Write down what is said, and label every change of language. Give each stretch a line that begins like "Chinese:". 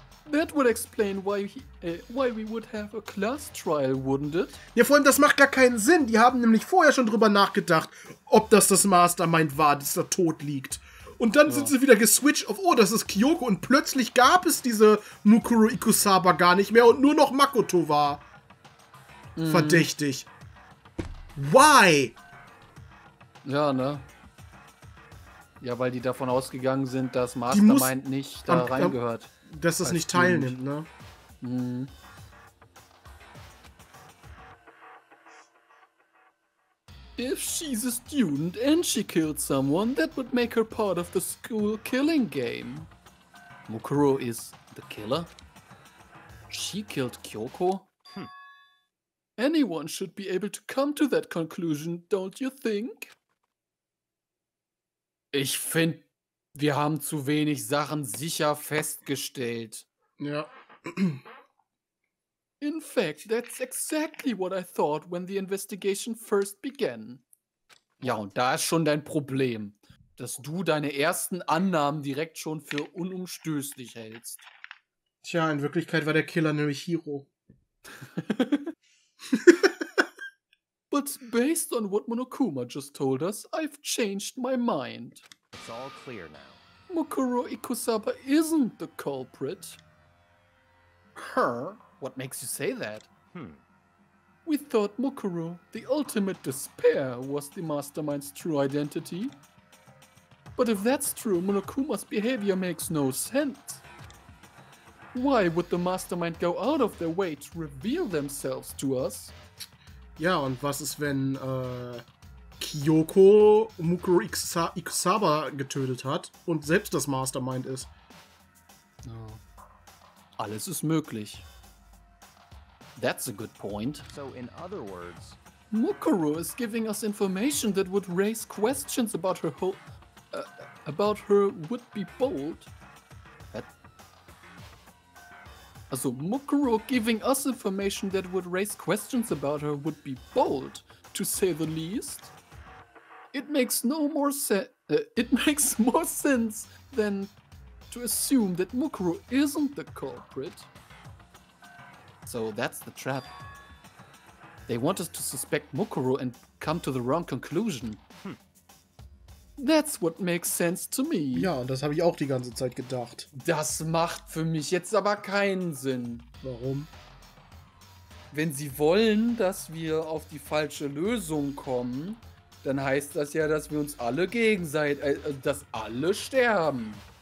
English: That would explain why we would have a class trial, wouldn't it?
German: Ja, vor allem, das macht gar keinen Sinn. Die haben nämlich vorher schon drüber nachgedacht, ob das das Mastermind war, das da tot liegt. Und dann sind sie wieder geswitcht auf, oh, das ist Kyoko. Und plötzlich gab es diese Mukuro Ikusaba gar nicht mehr und nur noch Makoto war verdächtig.
English: Why?
German: Ja, ne? Ja, weil die davon ausgegangen sind, dass Mastermind nicht da reingehört. Dass das nicht teilnimmt, ne?
English: If she's a student and she killed someone, that would make her part of the school killing game. Mukuro is the killer? She killed Kyoko? Anyone should be able to come to that conclusion, don't you think?
German: Ich finde, wir haben zu wenig Sachen sicher festgestellt. Ja.
English: In fact, that's exactly what I thought when the investigation first began.
German: Ja, und da ist schon dein Problem, dass du deine ersten Annahmen direkt schon für unumstößlich hältst. Tja, in Wirklichkeit war der Killer nämlich Hiro.
English: But based on what Monokuma just told us, I've changed my mind. It's all clear now. Mukuro Ikusaba isn't the culprit. Her? What makes you say that? We thought Mukuro, the ultimate despair, was the mastermind's true identity. But if that's true, Monokuma's behavior makes no sense. Why would the mastermind go out of their way to reveal themselves to us?
German: Ja, und was ist, wenn Kyoko Mukuro Ikusaba getötet hat und selbst das Mastermind ist?
English: Oh.
German: Alles ist möglich.
English: That's a good point. So in other words, Mukuro is giving us information that would raise questions about her whole about her would be bold. Also, Mukuro giving us information that would raise questions about her would be bold, to say the least. It makes more sense than to assume that Mukuro isn't the culprit. So that's the trap. They want us to suspect Mukuro and come to the wrong conclusion. That's what makes sense to me.
German: Ja, und das habe ich auch die ganze Zeit gedacht. Das macht für mich jetzt aber keinen Sinn. Warum? Wenn sie wollen, dass wir auf die falsche Lösung kommen, dann heißt das ja, dass wir uns alle gegenseitig, dass alle sterben.